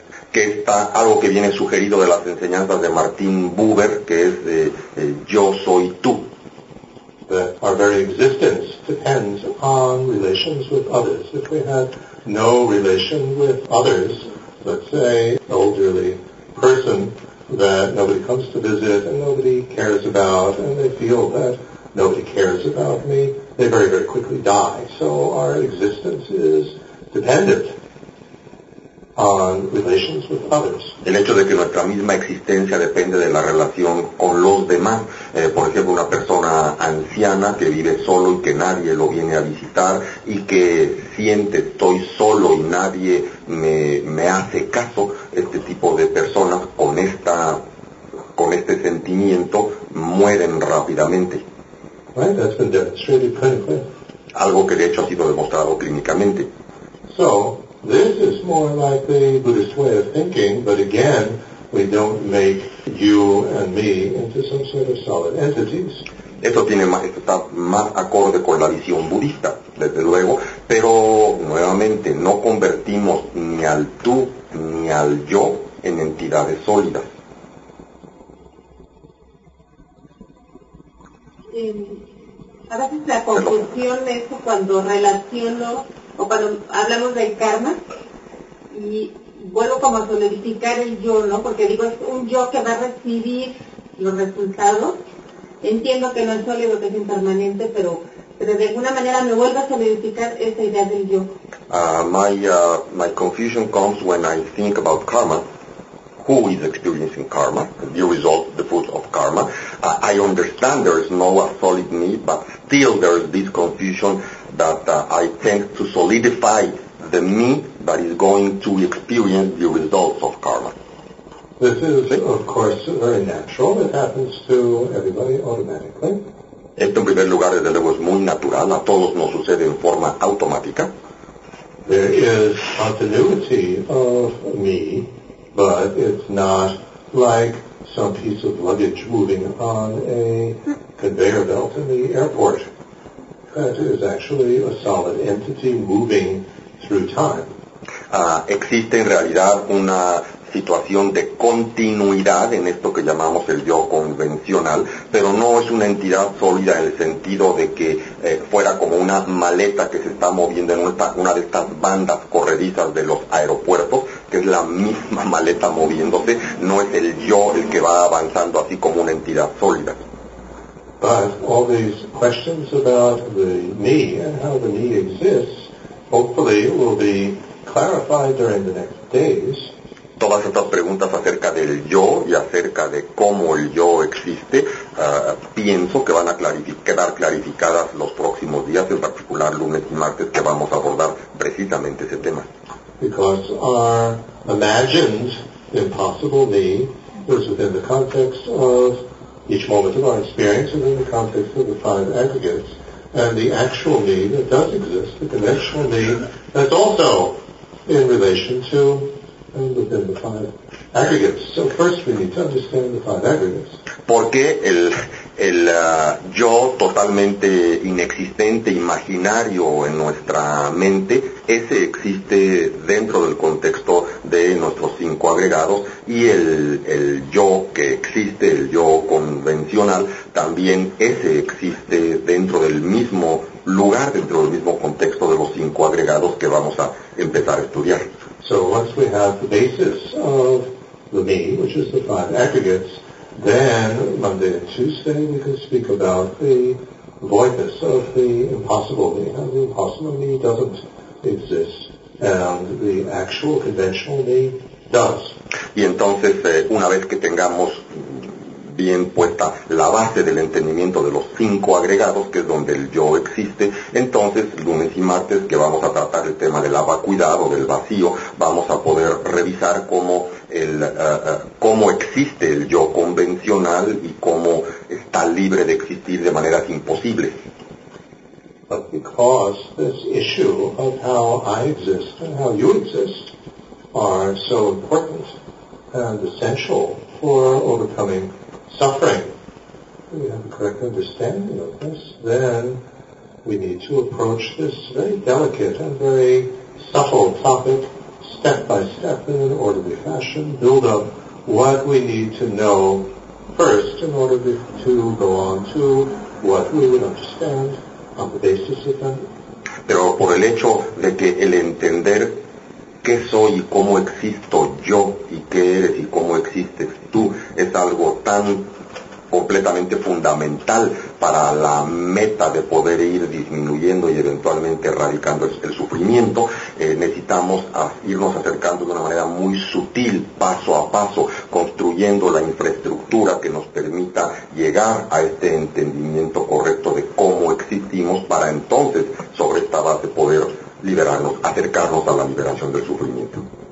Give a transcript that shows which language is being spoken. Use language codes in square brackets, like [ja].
[es] Que está algo que viene sugerido de las enseñanzas de Martin Buber, que es yo soy tú. [en] That our very existence depends on relations with others. If we had no relation with others, let's say an elderly person that nobody comes to visit and nobody cares about, and they feel that nobody cares about me, they very, very quickly die. So our existence is dependent on relations with others. [es] El hecho de que nuestra misma existencia depende de la relación con los demás, por ejemplo, una persona anciana que vive solo y que nadie lo viene a visitar y que siente estoy solo y nadie me hace caso, este tipo de personas con este sentimiento mueren rápidamente. [en] Right, that's been demonstrated clinically. [es] Algo que de hecho ha sido demostrado clínicamente. [en] So, this is more like the Buddhist way of thinking, but again, we don't make you and me into some sort of solid entities. [es] Esto tiene más, esto está más acorde con la visión budista, desde luego, pero nuevamente no convertimos ni al tú ni al yo en entidades sólidas. A veces la confusión es cuando relaciono o cuando hablamos del karma y vuelvo como a solidificar el yo, ¿no? Porque digo, es un yo que va a recibir los resultados. Entiendo que no es sólido, que es impermanente, pero de alguna manera me vuelvo a solidificar esa idea del yo. [en] My confusion comes when I think about karma. Who is experiencing karma, the result, the fruit of karma. I understand there is no a solid me, but still there is this confusion that I tend to solidify the me that is going to experience the results of karma. This is, see? Of course, very natural. It happens to everybody automatically. [es] Esto en primer lugar desde luego es muy natural. A todos nos sucede en forma automática. [en] There is continuity of me, but it's not like some piece of luggage moving on a conveyor belt in the airport. That is actually a solid entity moving through time. [es] Existe en realidad una situación de continuidad en esto que llamamos el yo convencional, pero no es una entidad sólida en el sentido de que fuera como una maleta que se está moviendo en una de estas bandas corredizas de los aeropuertos, que es la misma maleta moviéndose, no es el yo el que va avanzando así como una entidad sólida. [en] But all these questions about the me and how the me exists hopefully will be clarified during the next days. [es] Todas estas preguntas acerca del yo y acerca de cómo el yo existe, pienso que van a quedar clarificadas los próximos días, en particular lunes y martes, que vamos a abordar precisamente ese tema. [en] Because our imagined impossible me is within the context of each moment of our experience, within the context of the five aggregates, and the actual me that does exist, the conventional me, that's also in relation to and within the five aggregates. So first we need to understand the five aggregates. [es] Porque el yo totalmente inexistente, imaginario en nuestra mente, ese existe dentro del contexto de nuestros cinco agregados, y el yo que existe, el yo convencional, también ese existe dentro del mismo lugar, dentro del mismo contexto de los cinco agregados que vamos a empezar a estudiar. [en] So once we have the basis of the me, which is the five aggregates, then Monday and Tuesday we can speak about the voidness of the impossible me. And the impossible me doesn't exist, and the actual conventional me does. [es] Y entonces, una vez que tengamos bien puesta la base del entendimiento de los cinco agregados, que es donde el yo existe, entonces lunes y martes, que vamos a tratar el tema de la vacuidad o del vacío, vamos a poder revisar cómo existe el yo convencional y cómo está libre de existir de maneras imposibles. [en] But because this issue of how I exist and how you exist are so important and essential for overcoming suffering, we have a correct understanding of this, then we need to approach this very delicate and very subtle topic step by step in an orderly fashion, build up what we need to know first in order to go on to what we would understand on the basis of that. [es] Pero por el hecho de que el entender qué soy y cómo existo yo y qué eres y cómo existes tú es algo tan completamente fundamental para la meta de poder ir disminuyendo y eventualmente erradicando el sufrimiento, necesitamos irnos acercando de una manera muy sutil, paso a paso, construyendo la infraestructura que nos permita llegar a este entendimiento correcto de cómo existimos para entonces, sobre esta base, poder liberarnos, acercarnos a la liberación del sufrimiento.